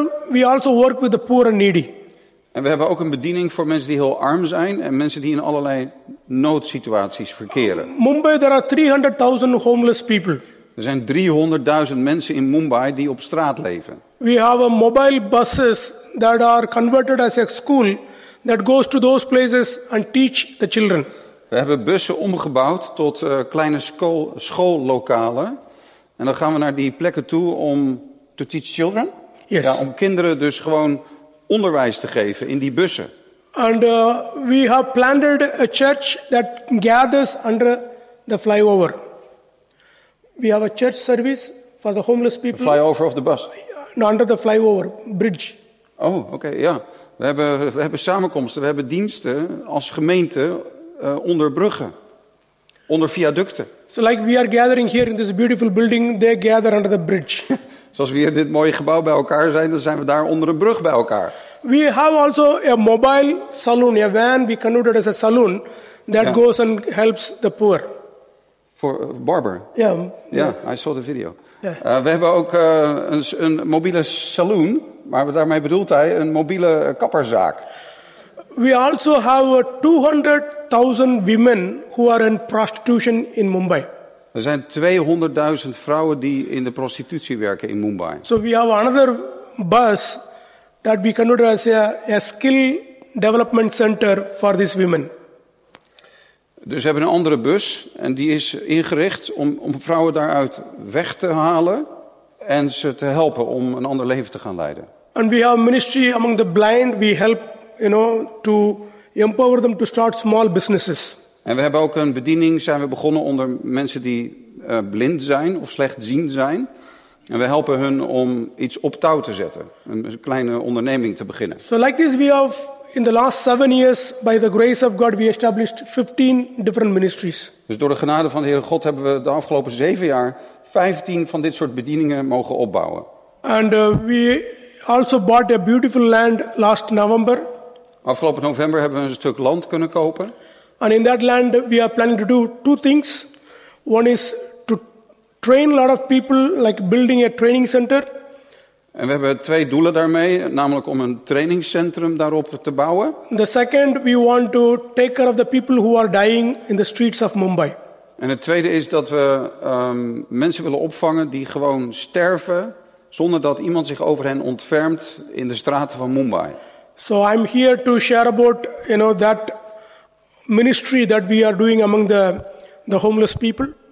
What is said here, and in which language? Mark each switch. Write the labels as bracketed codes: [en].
[en] We also work with the poor and needy. [nl] En we hebben ook een bediening voor mensen die heel arm zijn en mensen die in allerlei noodsituaties verkeren. [en] Mumbai, there are 300,000 homeless people. [nl] Er zijn 300,000 mensen in Mumbai die op straat leven. [en] We have mobile buses that are converted as a school that goes to those places and teach the children. [nl] We hebben bussen omgebouwd tot kleine schoollokalen. En dan gaan we naar die plekken toe om [en] to teach children. Yes. [nl] Ja, om kinderen dus gewoon onderwijs te geven in die bussen. [en] And we have planted a church that gathers under the flyover. We have a church service for the homeless people. The flyover of the bus? No, under the flyover, bridge. [nl] Oh, oké, ja. We hebben samenkomsten, we hebben diensten als gemeente onder bruggen, onder viaducten. [en] So like we are gathering here in this beautiful building, they gather under the bridge. [nl] Zoals we in dit mooie gebouw bij elkaar zijn, dan zijn we daar onder een brug bij elkaar. [en] We have also a mobile saloon, a van we connoted as a saloon, that goes and helps the poor. For barber? Yeah. Yeah, I saw the video. Yeah. [nl] We hebben ook een mobiele saloon, maar daarmee bedoelt hij een mobiele kapperzaak. [en] We also have 200,000 women who are in prostitution in Mumbai. [nl] Er zijn 200,000 vrouwen die in de prostitutie werken in Mumbai. [en] So we have another bus that we consider as a skill development center for these women. [nl] Dus we hebben een andere bus en die is ingericht om vrouwen daaruit weg te halen en ze te helpen om een ander leven te gaan leiden. [en] And we have ministry among the blind. We help, you know, to empower them to start small businesses. [nl] En we hebben ook een bediening, zijn we begonnen onder mensen die blind zijn of slechtziend zijn. En we helpen hun om iets op touw te zetten, een kleine onderneming te beginnen. [en] So like this we have in the last 7 years, by the grace of God, we established 15 different ministries. [nl] Dus door de genade van de Heere God hebben we de afgelopen 7 jaar 15 van dit soort bedieningen mogen opbouwen. [en] And we also bought a beautiful land last November. [nl] Afgelopen november hebben we een stuk land kunnen kopen. [en] And in that land we are planning to do 2 things. One is to train a lot of people, like building a training center. [nl] En we hebben 2 doelen daarmee, namelijk om een trainingscentrum daarop te bouwen. [en] The second, we want to take care of the people who are dying in the streets of Mumbai. [nl] En het tweede is dat we mensen willen opvangen die gewoon sterven zonder dat iemand zich over hen ontfermt in de straten van Mumbai. [en] So I'm here to share about, you know, that ministry that we are doing among the homeless people.